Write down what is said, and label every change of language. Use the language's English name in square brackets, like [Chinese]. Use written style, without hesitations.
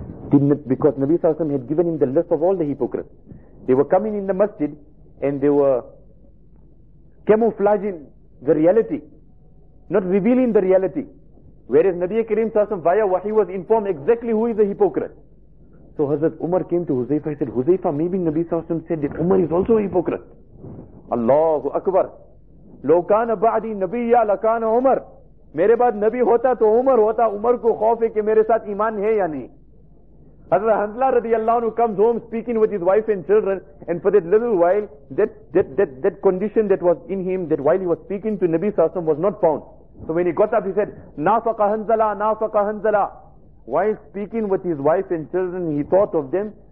[English] Didn't, because Nabi sallallahu alayhi wa sallam had given him the list of all the hypocrites. They were coming in the masjid and they were camouflaging the reality. Not revealing the reality. Whereas Nabi Kareem Sassam via Wahi was informed exactly who is a hypocrite. So Hazrat Umar came to Huzaifa and said, Huzaifa, maybe Nabi Sassam said that Umar is also a hypocrite. [Arabic] Allahu Akbar. Lo kana ba'di nabiyya la kana Umar. [Urdu] میرے بعد نبی ہوتا تو عمر ہوتا, عمر کو خوف ہے کہ میرے ساتھ ایمان ہے یا نہیں. [English] Hazrat Hanzala رضی اللہ عنہ comes home speaking with his wife and children, and for that little while, that condition that was in him, that while he was speaking to Nabi Sallallahu Alaihi Wasallam was not found. So when he got up, he said, [Arabic] نافقہ حنظلہ, نافقہ حنظلہ. [English] While speaking with his wife and children, he thought of them.